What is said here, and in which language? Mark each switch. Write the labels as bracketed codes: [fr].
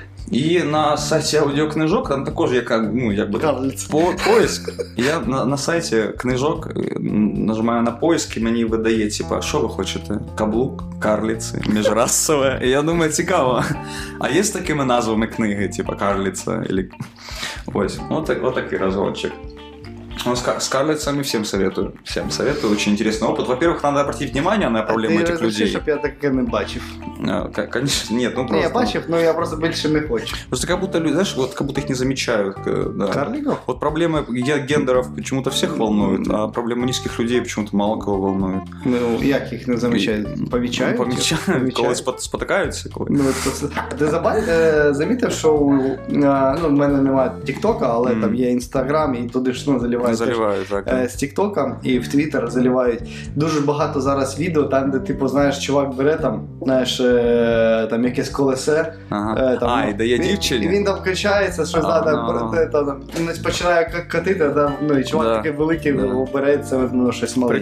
[uk] І на сайті аудіокнижок, там також є, ну, якби, поиск. Я на сайті книжок нажимаю на поиск, і мені видає, типа, що ви хочете? Каблук, карліці, міжрасове. І я думаю, цікаво. А є з такими назвами книги, типа, карліця? Ось, от такий розгончик. [ru] Ну, Скарлетт сами всем советую. Всем советую. Очень интересный опыт. Во-первых, надо обратить внимание на проблемы этих людей. Ты разрешишь, чтобы я так и не бачив? Конечно, нет. Ну, просто... Не, я бачив, но я просто больше не хочу. Просто как будто, знаешь, вот как будто их не замечают. Да. Карлингов? Вот проблемы гендеров почему-то всех волнуют, а проблемы низких людей почему-то мало кого волнуют. Ну, как их не замечают? Помечают? Ну, помечают. Кого-то спотыкаются. Ну, ты заметил, что у меня нет ТикТока, но там есть Инстаграм, и туди ж заливают. [uk] Заливаю, так. С ТикТоком и в Твиттер заливають дуже багато зараз відео, там, де, типу, знаєш, чувак бере там, знаєш, там якесь колесе. Ага. І дає дівчині. І він там включається, що знає, там, починає катити, там, ну, і чувак такий великий, бере це, ну, щось маленьке.